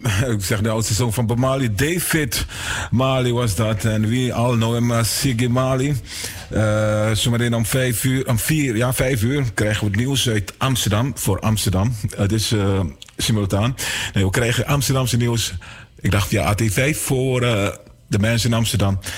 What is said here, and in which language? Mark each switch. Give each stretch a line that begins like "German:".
Dutch: ik zeg de oudste zoon van Bob Marley, David Marley was dat.
English: En we all know him as Ziggy Marley.
Dutch: Zometeen om vijf uur krijgen we het nieuws uit Amsterdam, voor Amsterdam. Het is simultaan. Nee, we krijgen Amsterdamse nieuws, ik dacht via AT5, voor de mensen in Amsterdam.